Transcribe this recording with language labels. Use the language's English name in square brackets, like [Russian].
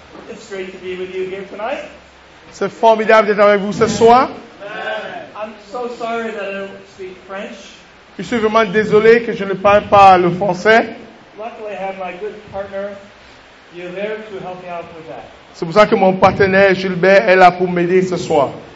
[English] It's great to be with you here tonight. [French] C'est formidable d'être avec vous ce soir. [English] I'm so sorry that I don't speak French. [French] Je suis vraiment désolé que je ne parle pas le français. [English] Luckily, I have my good partner, Gilbert, to help me out with that. [French] C'est pour ça que mon partenaire Gilbert est là pour m'aider ce soir.